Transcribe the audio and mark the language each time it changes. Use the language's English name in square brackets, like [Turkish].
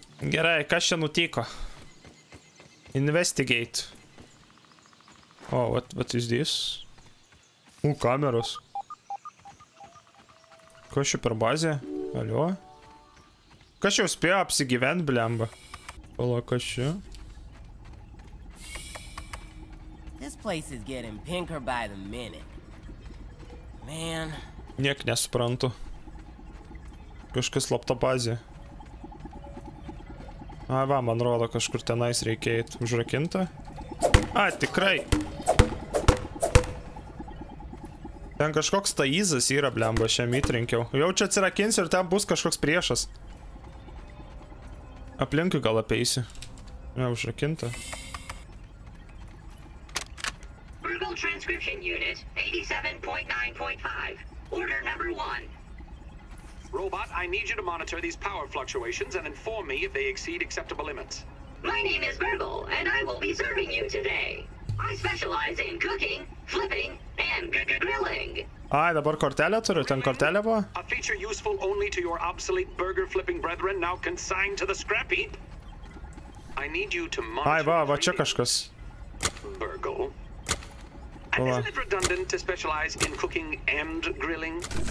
[Lithuanian] Gerai, kas čia nutiko? [English] Investigate. Oh, what is this? [Lithuanian] Kameros. Kas čia per bazė? Alio? Kas jau spėjo apsigyvent, blemba? Pala, kas čia? [English] This place is getting pinker by the minute. [Lithuanian] Man. Niek nesuprantu. Kažkas slapta bazė. Ai va, man rodo, kažkur tenais reikia eit. Užrakinta? Ai, tikrai. Ten kažkoks taizas yra, blemba, aš jam įtrinkiau. Jau čia atsirakinsiu ir ten bus kažkoks priešas. Aplinkui gal apeisiu. Ne, užrakinta. [English] Verbal transcription unit 87.9.5. Order number 1. Robot, I need you to monitor these power fluctuations and inform me if they exceed acceptable limits. My name is Verbal and I will be serving you today. I specialize in cooking, flipping and grilling. [Lithuanian] Ai, dabar kortelę turiu, ten kortelė buvo. [English] A feature useful only to your obsolete burger flipping brethren now consigned to the scrap heap. I need you to monitor. [Lithuanian] Ai, va čia kažkas. [English] Burgle. And isn't it redundant to specialize in cooking and grilling?